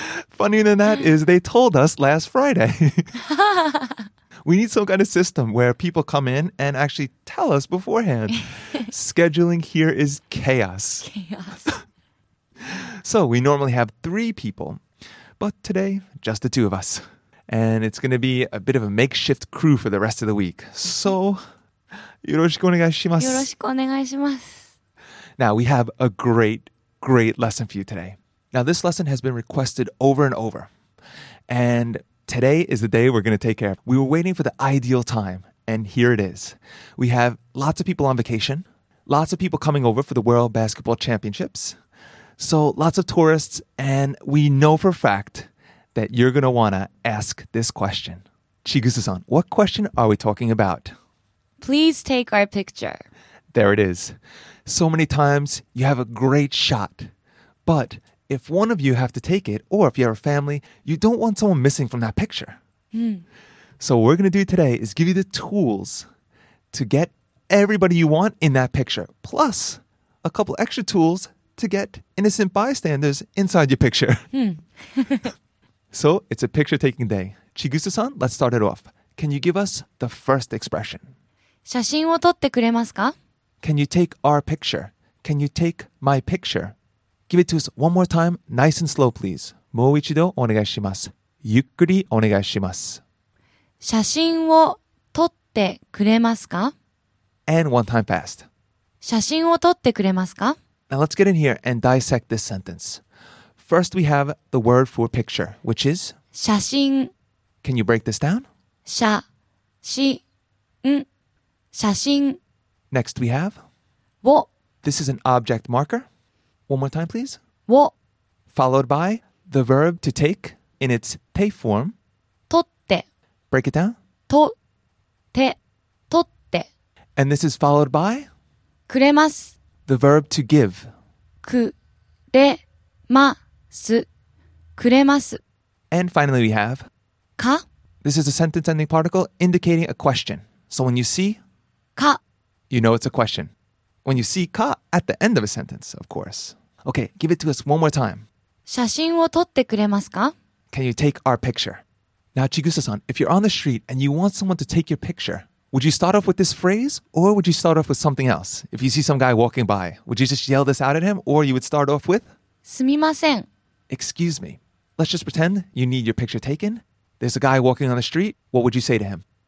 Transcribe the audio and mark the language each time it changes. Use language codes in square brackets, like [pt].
[en] Funnier than that is they told us last Friday. We need some kind of system where people come in and actually tell us beforehand. Scheduling here is chaos. So we normally have three people, but today just the two of us. And it's going to be a bit of a makeshift crew for the rest of the week. [ja] So, よろしくお願いします。よろしくお願いします。 [en] Now, we have a great, great lesson for you today. Now, this lesson has been requested over and over. And today is the day we're going to take care of. We were waiting for the ideal time, and here it is. We have lots of people on vacation, lots of people coming over for the World Basketball Championships. So, lots of tourists, and we know for a fact... that you're going to want to ask this question. Chigusa-san, what question are we talking about? Please take our picture. There it is. So many times, you have a great shot. But if one of you have to take it, or if you have a family, you don't want someone missing from that picture. So what we're going to do today is give you the tools to get everybody you want in that picture, plus a couple extra tools to get innocent bystanders inside your picture. So, it's a picture-taking day. Chigusa-san, let's start it off. Can you give us the first expression? [ja] 写真を撮ってくれますか? [en] Can you take our picture? Can you take my picture? Give it to us one more time, nice and slow, please. [ja] もう一度お願いします。ゆっくりお願いします。写真を撮ってくれますか? [en] And one time fast. [ja] 写真を撮ってくれますか? [en] Now, let's get in here and dissect this sentence. First, we have the word for picture, which is? [ja] 写真 [en] Can you break this down? [ja] 写真写真 [en] Next, we have? [ja] を [en] This is an object marker. One more time, please. [ja] を [en] Followed by the verb to take in its て form. [ja] 取って [en] Break it down. [ja] 取って取って [en] And this is followed by? [ja] くれます [en] The verb to give. [ja] くれますくれます。 [en] And finally we have [ja] か [en] This is a sentence ending particle indicating a question. So when you see [ja] か [en] You know it's a question. When you see かat the end of a sentence, of course. Okay, give it to us one more time. [ja] 写真を撮ってくれますか? [en] Can you take our picture? Now Chigusa-san, if you're on the street and you want someone to take your picture, would you start off with this phrase or would you start off with something else? If you see some guy walking by, would you just yell this out at him or you would start off with [ja] すみません。 [en] Excuse me. Let's just pretend you need your picture taken. There's a guy walking on the street. What would you say to him?